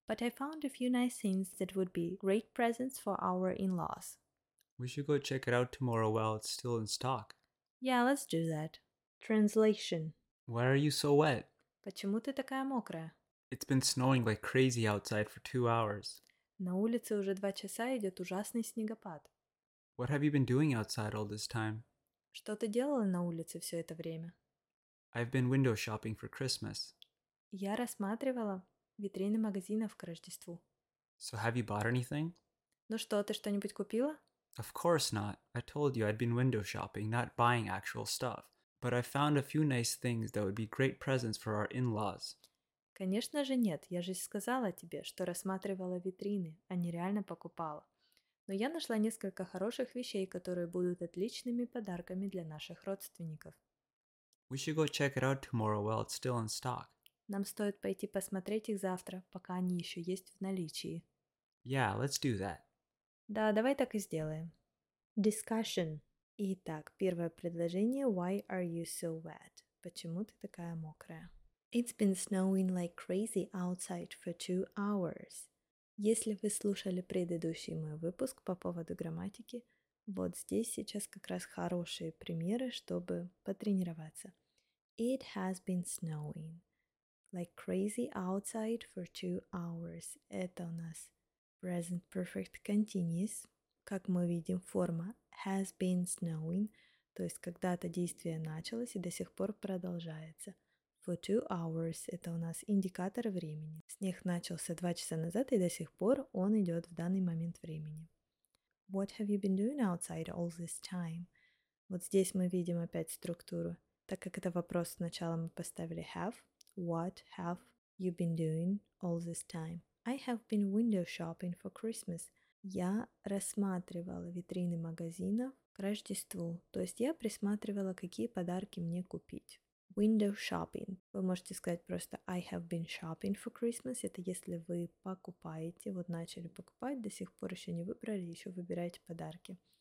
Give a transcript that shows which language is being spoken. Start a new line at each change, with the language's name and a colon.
English: But I found a few nice things that would be great presents for our in-laws. We should go check it out tomorrow while it's still in stock. Yeah, let's do that. Translation. Why are you so wet?
Russian: Почему ты такая мокрая?
English: It's been snowing like crazy outside for 2 hours.
Russian: На улице уже 2 часа идет ужасный снегопад.
English: What have you been doing outside all this time?
Russian: Что ты делала на улице все это время?
English: I've been window shopping for Christmas.
Russian: Я рассматривала витрины магазинов к Рождеству.
English: So have you bought anything?
Russian: Ну что, ты что-нибудь купила?
English: Of course not. I told you I'd been window shopping, not buying actual stuff. But I found a few nice things that would be great presents for our in-laws.
Russian: Конечно же нет, я же сказала тебе, что рассматривала витрины, а не реально покупала. Но я нашла несколько хороших вещей, которые будут отличными подарками для наших родственников.
English: We should go check it out tomorrow while it's still in stock.
Russian: Нам стоит пойти посмотреть их завтра, пока они еще есть в наличии.
English: Yeah, let's do that.
Russian: Да, давай так и сделаем.
English: Discussion.
Russian: Итак, первое предложение.
English: Why are you so wet?
Russian: Почему ты такая мокрая?
English: It's been snowing like crazy outside for 2 hours.
Russian: Если вы слушали предыдущий мой выпуск по поводу грамматики, вот здесь сейчас как раз хорошие примеры, чтобы потренироваться.
English: It has been snowing like crazy outside for 2 hours.
Russian: Это у нас present perfect continuous. Как мы видим, форма
English: has been snowing,
Russian: то есть когда-то действие началось и до сих пор продолжается.
English: For 2 hours
Russian: – это у нас индикатор времени. Снег начался 2 часа назад, и до сих пор он идет в данный момент времени.
English: What have you been doing outside all this time?
Russian: Вот здесь мы видим опять структуру. Так как это вопрос, сначала мы поставили have.
English: What have you been doing all this time? I have been window shopping for Christmas.
Russian: Я рассматривала витрины магазинов к Рождеству. То есть я присматривала, какие подарки мне купить.
English: Window shopping.
Russian: Вы можете сказать просто
English: I have been shopping for Christmas.
Russian: Это если вы покупаете, вот начали покупать, до сих пор еще не выбрали, еще выбираете подарки.